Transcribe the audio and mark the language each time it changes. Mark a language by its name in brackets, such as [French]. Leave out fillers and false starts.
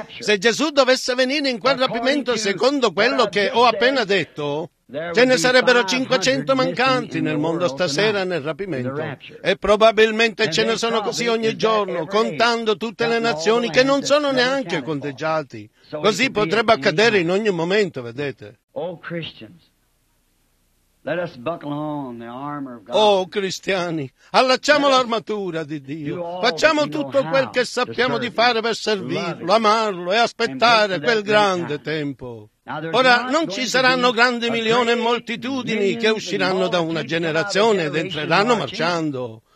[Italian] Se Gesù dovesse venire in quel rapimento secondo quello che ho appena detto, ce ne sarebbero 500 mancanti nel mondo stasera nel rapimento. E probabilmente ce ne sono così ogni giorno, contando tutte le nazioni che non sono neanche conteggiati. Così potrebbe accadere in ogni momento, vedete. [English] Let us buckle on the armor of God. [Italian] Oh cristiani, allacciamo l'armatura di Dio. Facciamo tutto quel che sappiamo di fare per servirlo, amarlo e aspettare quel grande tempo. Ora, non ci saranno grandi milioni e moltitudini che usciranno da una generazione ed entreranno marciando.